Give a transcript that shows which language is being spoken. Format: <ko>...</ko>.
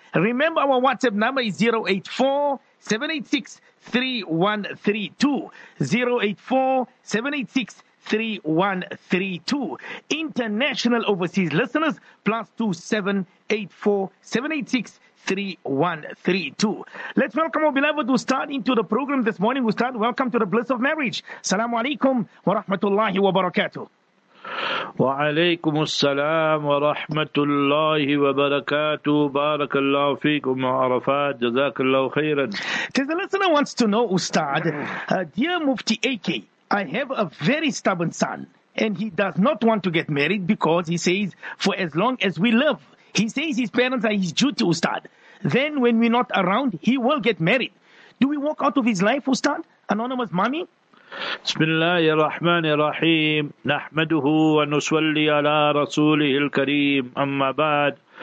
<en>Remember, our WhatsApp number is 084-786-3132. International overseas listeners, +27 84 786 3132. Let's welcome our beloved who start into the program this morning. We start, welcome to the bliss of marriage.</en> <ar>Assalamu alaikum wa rahmatullahi wa barakatuh. وعليكم السلام ورحمة الله وبركاته. بارك الله فيكم عرفات, جزاك الله خيرا.</ar> <en>There's a listener wants to know, Ustad, dear Mufti AK, I have a very stubborn son and he does not want to get married because he says for as long as we live, he says his parents are his duty, Ustad. Then when we're not around, he will get married. Do we walk out of his life, Ustad? Anonymous mommy?</en> <ar>بسم الله الرحمن الرحيم نحمده ونصلي على رسوله الكريم أما بعد.</ar>